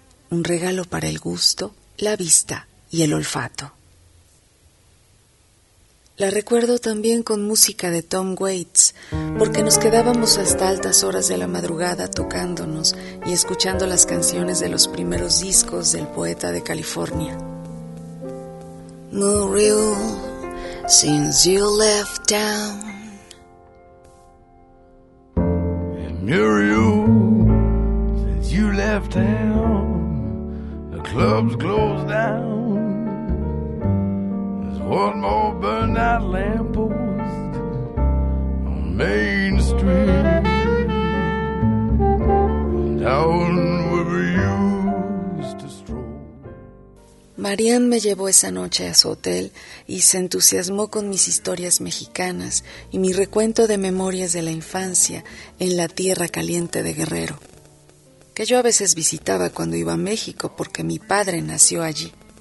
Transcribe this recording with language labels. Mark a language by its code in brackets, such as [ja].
[es] Un regalo para el gusto, la vista y el olfato. La recuerdo también con música de Tom Waits, porque nos quedábamos hasta altas horas de la madrugada tocándonos y escuchando las canciones de los primeros discos del poeta de California. [en] Muriel, since you left town. Muriel, since you left town. The club's closed down. One more burned out lamppost on Main Street. Down where we used to stroll. [es] Marianne me llevó esa noche a su hotel y se entusiasmó con mis historias mexicanas y mi recuento de memorias de la infancia en la tierra caliente de Guerrero, que yo a veces visitaba cuando iba a México porque mi padre nació allí.